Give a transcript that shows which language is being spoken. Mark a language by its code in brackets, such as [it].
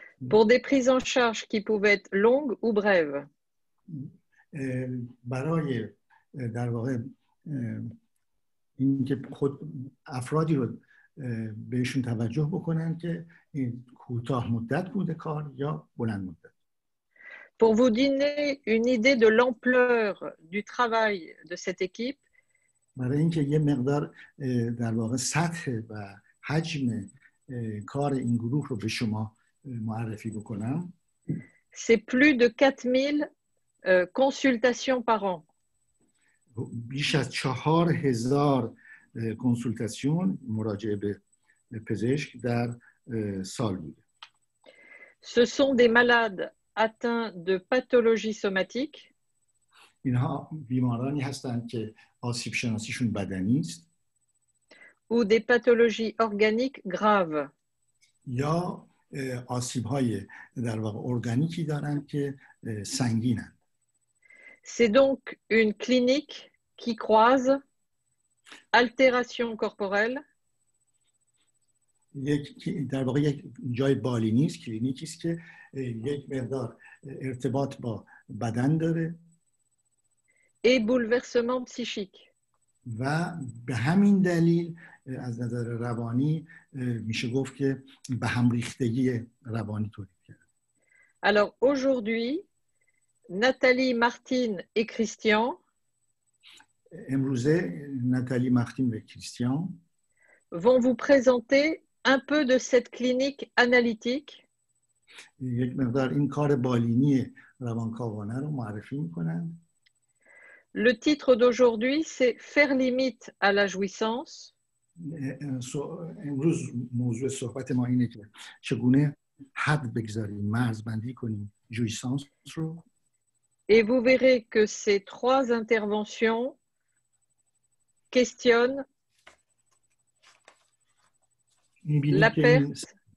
[fr] Pour des prises en charge qui pouvaient être longues ou brèves. [fa] برای در واقع اینکه خود افرادی رو بهشون توجه بکنن که این کوتاه مدت بوده کار یا بلند مدت. [fr] Pour vous donner une idée de l'ampleur du travail de cette équipe. [fa] برای اینکه یه مقدار در واقع سطح و حجم کار این گروه رو به شما معرفی بکنم. [fr] C'est plus de 4000 consultations par an. [fa] بیش از 4000 consultation مراجعه به پزشک در سال بود. [fr] Ce sont des malades atteints de pathologies somatiques. [fa] اینها بیمارانی هستند که آسیب شناسیشون بدنی است. [fr] Ou des pathologies organiques graves. [fa] یا آسیب‌های در واقع ارگانیکی دارند که سنگینند. [fr] C'est donc une clinique qui croise altération corporelle. [fa] یک در واقع یک جای بالی نیست کلینیکی است که یک مقدار ارتباط با بدن داره. [fr] Et bouleversement psychique. [fa] و به همین دلیل از نظر روانی میشه گفت که به هم ریختگی روانی تولید کرده. [fr] Alors aujourd'hui, Nathalie, Martine et Christian. [fa] امروزه ناتالی، مارتین و کریستیان [fr] vont vous présenter un peu de cette clinique analytique. [fa] یک مقدار این کار بالینی روانکاوانه رو معرفی می‌کنند. [fr] Le titre d'aujourd'hui c'est faire limite à la jouissance. [fa] امروز موضوع صحبت ما اینه که چگونه حد بگذاریم، مرز بندی کنیم جویسانس رو. [fr] Et vous verrez que ces trois interventions questionne la perte.